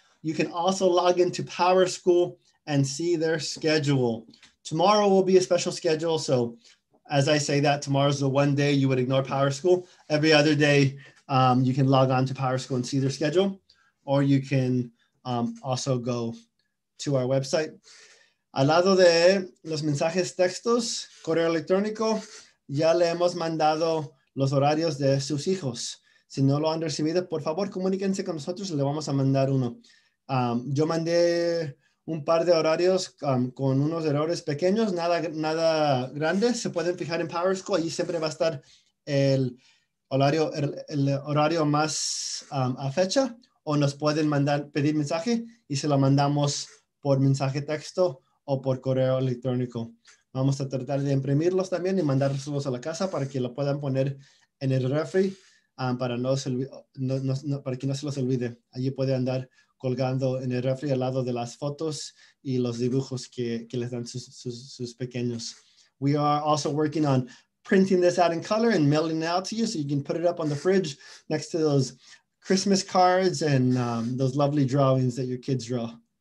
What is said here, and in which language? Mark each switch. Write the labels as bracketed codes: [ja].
[en] You can also log into PowerSchool and see their schedule. Tomorrow will be a special schedule. So as I say that, tomorrow's the one day you would ignore PowerSchool. Every other day, you can log on to PowerSchool and see their schedule, or you can also go to our website. [es] Al lado de los mensajes textos, correo electrónico, ya le hemos mandado los horarios de sus hijos. Si no lo han recibido, por favor, comuníquense con nosotros, le vamos a mandar uno. Yo mandé un par de horarios con unos errores pequeños, nada grande. Se pueden fijar en PowerSchool, ahí siempre va a estar el horario más a fecha, o nos pueden mandar pedir mensaje y se lo mandamos por mensaje texto o por correo electrónico. Vamos a tratar de imprimirlos también y mandárselos a la casa para que lo puedan poner en el refri para que no se los olvide. Allí puede andar colgando en el refri al lado de las fotos y los dibujos que les dan sus pequeños. [en] We are also working on printing this out in color and mailing it out to you so you can put it up on the fridge next to those Christmas cards and those lovely drawings that your kids draw.